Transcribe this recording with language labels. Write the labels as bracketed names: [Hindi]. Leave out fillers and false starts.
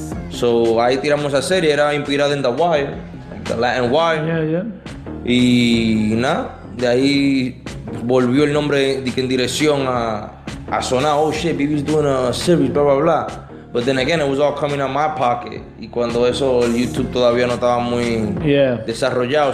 [Spanish] So ahí tiramos esa serie, era inspirada en The Wire, The Latin Wire. [English] Yeah, yeah. [Spanish] Y nada, de ahí volvió el nombre en dirección a sonar, [English] oh shit, BB's doing a series, blah, blah, blah. But then again, it was all coming out of my pocket. [Spanish] Y cuando eso, el YouTube todavía no estaba muy desarrollado.